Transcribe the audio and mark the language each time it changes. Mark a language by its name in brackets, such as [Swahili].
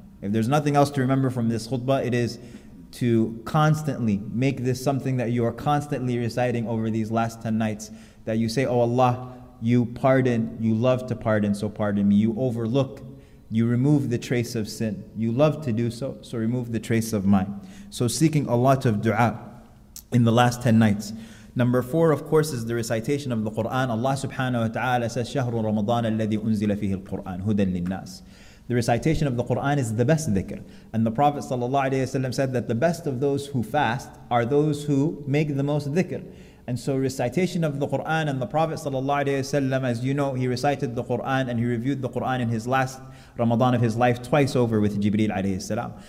[English] If there's nothing else to remember from this khutbah, it is to constantly make this something that you are constantly reciting over these last 10 nights, that you say, oh Allah, you pardon, you love to pardon, so pardon me. You overlook, you remove the trace of sin. You love to do so, so remove the trace of mine. So seeking a lot of dua in the last 10 nights. Number four, of course, is the recitation of the Qur'an. Allah subhanahu wa ta'ala says, [Arabic] شَهْرُ رَمَضَانَ الَّذِي أُنزِلَ فِيهِ الْقُرْآنِ هُدًى لِلنَّاسِ. [English] The recitation of the Qur'an is the best dhikr. And the Prophet sallallahu alayhi wa sallam said that the best of those who fast are those who make the most dhikr. And so recitation of the Qur'an, and the Prophet sallallahu alayhi wa sallam, as you know, he recited the Qur'an and he reviewed the Qur'an in his last Ramadan of his life twice over with Jibreel alayhi salam.